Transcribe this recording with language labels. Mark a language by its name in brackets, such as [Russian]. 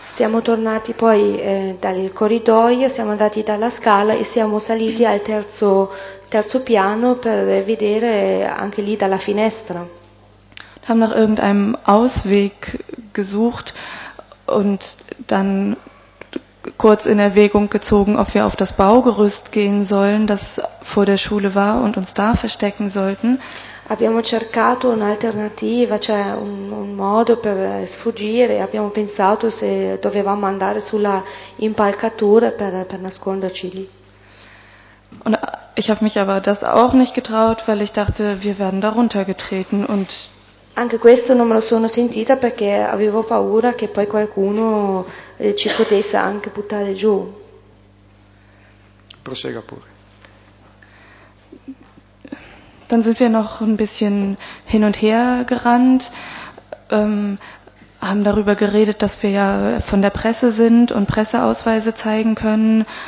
[Italian] Siamo tornati poi dal corridoio, siamo andati dalla scala e siamo saliti al terzo piano per vedere anche lì dalla finestra. [German] Haben nach irgendeinem Ausweg gesucht. Und dann kurz in Erwägung gezogen, ob wir auf das Baugerüst gehen sollen, das vor der Schule war, und uns da verstecken sollten. [Italian] Abbiamo cercato un'alternativa, cioè un modo per sfuggire. Abbiamo pensato se dovevamo andare sulla impalcatura per nasconderci lì. [German] Und ich habe mich aber das auch nicht getraut, weil ich dachte, wir werden darunter getreten und [Italian] anche questo non me lo sono sentita perché avevo paura che poi qualcuno ci potesse anche buttare giù. Prosegua pure. [German] Dann sind wir noch ein bisschen hin und her gerannt, haben darüber geredet, dass wir ja von der Presse sind und Presseausweise zeigen können.